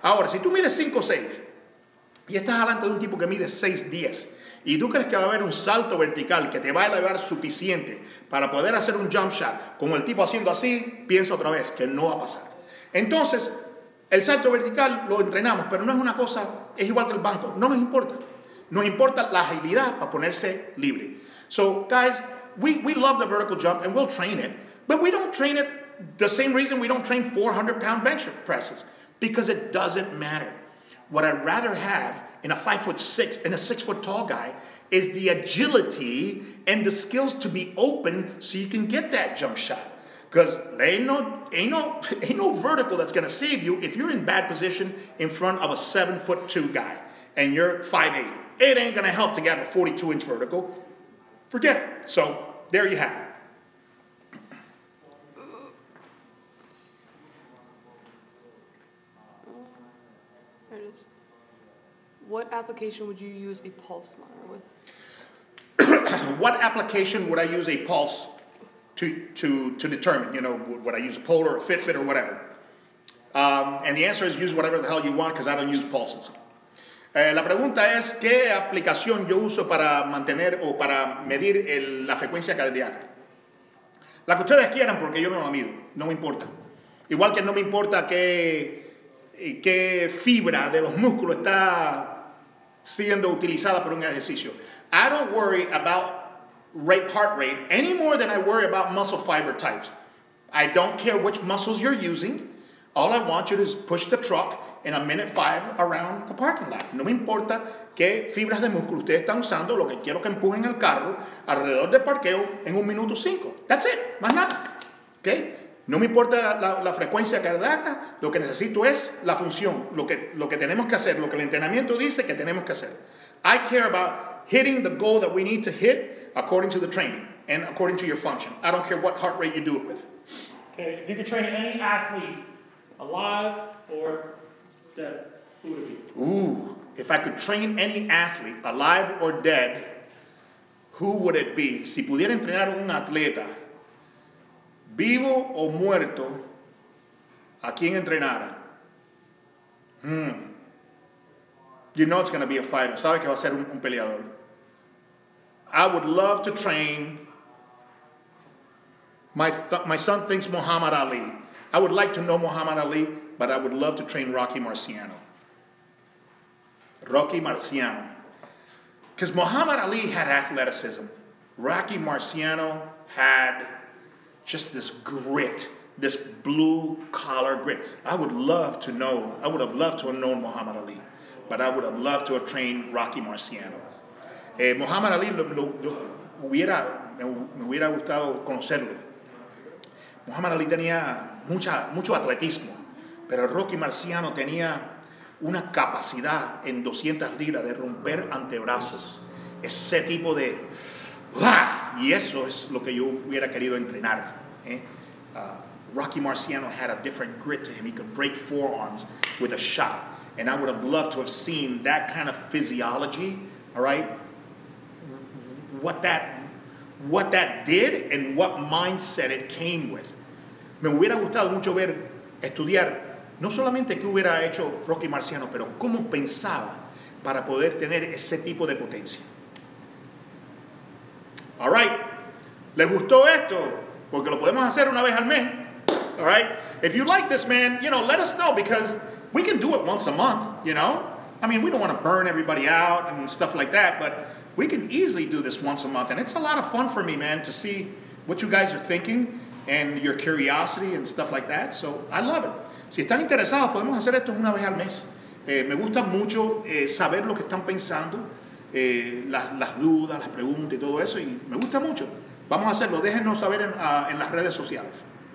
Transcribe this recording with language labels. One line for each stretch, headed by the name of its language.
Spanish: Ahora, si tú mides 5'6 y estás delante de un tipo que mide 6'10 y tú crees que va a haber un salto vertical que te va a elevar suficiente para poder hacer un jump shot como el tipo haciendo así, piensa otra vez que no va a pasar. Entonces, el salto vertical lo entrenamos, pero no es una cosa, es igual que el banco. No nos importa. Nos importa la agilidad para ponerse libre.
English: So, guys, we love the vertical jump and we'll train it, but we don't train it the same reason we don't train 400-pound bench presses, because it doesn't matter. What I'd rather have in a 5'6" and a 6-foot-tall guy is the agility and the skills to be open so you can get that jump shot. Because there ain't no vertical that's going to save you if you're in bad position in front of a 7'2" guy and you're 5'8". It ain't going to help to get a 42-inch vertical. Forget it. So there you have it. What application would you use a pulse monitor with? What application would I use a pulse to determine? You know, would I use a Polar or a Fitbit or whatever? And the answer is use whatever the hell you want, because I don't use pulses.
Spanish: La pregunta es, ¿qué aplicación yo uso para mantener o para medir la frecuencia cardíaca? La que ustedes quieran, porque yo no la mido. No me importa. Igual que no me importa qué fibra de los músculos está siendo utilizada por un ejercicio.
English: I don't worry about heart rate any more than I worry about muscle fiber types. I don't care which muscles you're using. All I want you to do is push the truck in 1:05 around the parking lot.
Spanish: No me importa qué fibras de músculo ustedes están usando. Lo que quiero que empujen el carro alrededor del parqueo en 1:05.
English: That's it.
Spanish: Más nada. Okay? No me importa la frecuencia cardíaca, lo que necesito es la función, lo que tenemos que hacer, lo que el entrenamiento dice que tenemos que hacer.
English: I care about hitting the goal that we need to hit according to the training and according to your function. I don't care what heart rate you do it with. Okay, if you could train any athlete, alive or dead, who would it be? Ooh, if I could train any athlete, alive or dead, who would it be?
Spanish: Si pudiera entrenar un atleta, vivo o muerto, ¿a quién entrenara?
English: You know it's going to be a fighter.
Spanish: Sabe que va a ser un peleador.
English: I would love to train. My son thinks Muhammad Ali. I would like to know Muhammad Ali, but I would love to train Rocky Marciano. Rocky Marciano. Because Muhammad Ali had athleticism. Rocky Marciano had just this grit, this blue collar grit. I would have loved to have known Muhammad Ali, but I would have loved to have trained Rocky Marciano.
Spanish: Muhammad Ali, me hubiera gustado conocerlo. Muhammad Ali tenía mucho atletismo, pero Rocky Marciano tenía una capacidad en 200 libras de romper antebrazos. Ese tipo de, y eso es lo que yo hubiera querido entrenar.
English: Rocky Marciano had a different grit to him. He could break forearms with a shot. And I would have loved to have seen that kind of physiology, all right? What that did and what mindset it came with.
Spanish: Me hubiera gustado mucho ver, estudiar, no solamente qué hubiera hecho Rocky Marciano, pero cómo pensaba para poder tener ese tipo de potencia.
English: All right.
Spanish: ¿Les gustó esto? Porque lo podemos hacer una vez al mes.
English: All right? If you like this, man, you know, let us know, because we can do it once a month, you know? I mean, we don't want to burn everybody out and stuff like that, but we can easily do this once a month. And it's a lot of fun for me, man, to see what you guys are thinking and your curiosity and stuff like that. So I love it.
Spanish: Si están interesados, podemos hacer esto una vez al mes. Me gusta mucho saber lo que están pensando. las dudas, las preguntas y todo eso. Y me gusta mucho. Vamos a hacerlo. Déjenos saber en las redes sociales.